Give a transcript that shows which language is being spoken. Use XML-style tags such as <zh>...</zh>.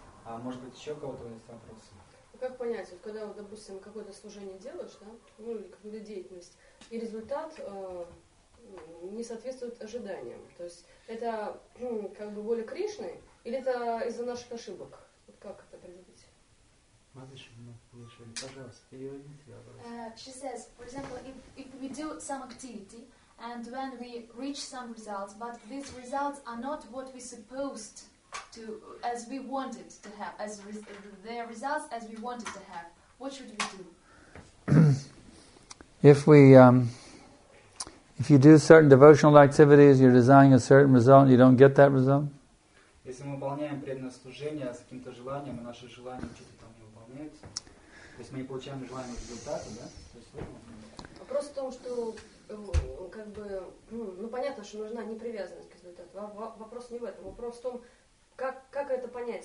<ru>Может быть, еще кого-то есть вопросы? Как понять, вот когда, допустим, какое-то служение делаешь, да, ну или какую-то деятельность, и результат не соответствует ожиданиям? То есть это как бы воля Кришны или это из-за наших ошибок? Вот как это определить?</ru> <en>She says, for example, if we do some activity and when we reach some results, but these results are not what we supposed to, as we wanted to have, as their results as we wanted to have, what should we do? If you do certain devotional activities, you're desiring a certain result, and you don't get that result.</en> <ru>Если мы выполняем преданное служение с каким-то желанием, и наше желание что-то там не выполняется, то есть мы не получаем желаемый результат, да? Вопрос в том, что как бы, ну понятно, что нужна непривязанность к результату. Вопрос не в этом. Вопрос в том, как это понять?</ru>